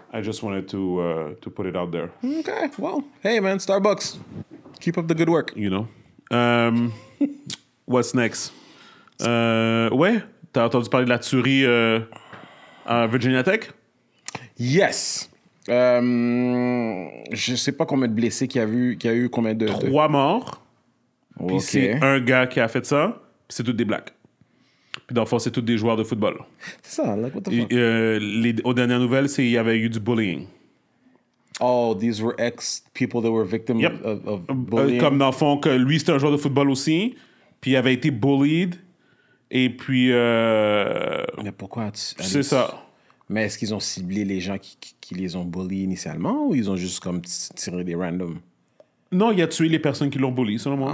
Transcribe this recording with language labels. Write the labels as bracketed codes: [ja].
[en] I just wanted to put it out there. Okay, well, hey man, Starbucks. Keep up the good work. You know. What's next? [fr] Ouais, t'as entendu parler de la tuerie à Virginia Tech? [en] Yes. [fr] Je sais pas combien de blessés qu'il y a eu, combien de... Trois morts. Okay. Puis c'est un gars qui a fait ça, puis c'est tous des blacks. Puis dans le fond, c'est tous des joueurs de football. C'est ça, [en] like, what the fuck? [fr] Aux dernières nouvelles, c'est qu'il y avait eu du bullying. [en] Oh, these were ex-people that were victims of bullying? [fr] Comme dans le fond, que lui, c'était un joueur de football aussi, puis il avait été bullied, et puis... Mais pourquoi tu... C'est ça. Mais est-ce qu'ils ont ciblé les gens qui les ont bullies initialement, ou ils ont juste comme tiré des randoms? Non, il a tué les personnes qui l'ont bully, selon moi.